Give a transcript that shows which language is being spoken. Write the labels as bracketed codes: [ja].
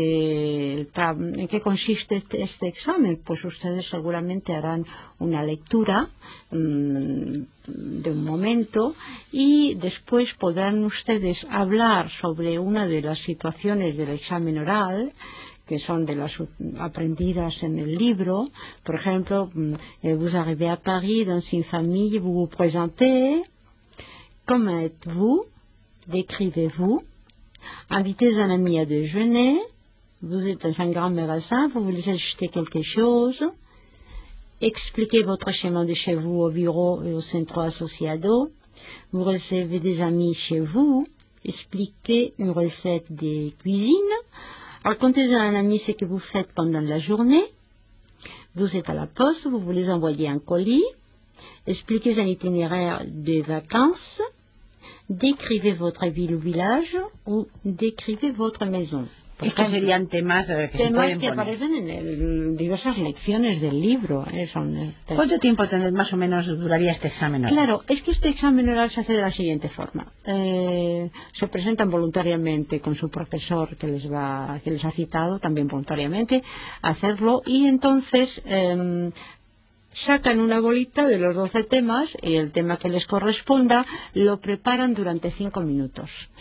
[es] ¿En qué consiste este examen? Pues ustedes seguramente harán una lectura de un momento, y después podrán ustedes hablar sobre una de las situaciones del examen oral que son de las aprendidas en el libro. Por ejemplo, [fr] vous arrivez à Paris dans une famille, vous vous présentez, comment êtes-vous, décrivez-vous, invitez un ami à déjeuner, vous êtes un grand magasin, vous voulez acheter quelque chose, expliquez votre chemin de chez vous au bureau et au centre associado, vous recevez des amis chez vous, expliquez une recette de cuisine, racontez à un ami ce que vous faites pendant la journée. Vous êtes à la poste, vous voulez envoyer un colis. Expliquez un itinéraire de vacances. Décrivez votre ville ou village ou décrivez votre maison. [es] Estos serían temas que se pueden que Aparecen en diversas lecciones del libro. ¿Cuánto tiempo tendré, más o menos duraría este examen oral? Claro, es que este examen oral se hace de la siguiente forma. Se presentan voluntariamente con su profesor que les ha citado, también voluntariamente, a hacerlo, y entonces sacan una bolita de los 12 temas y el tema que les corresponda lo preparan durante 5 minutos.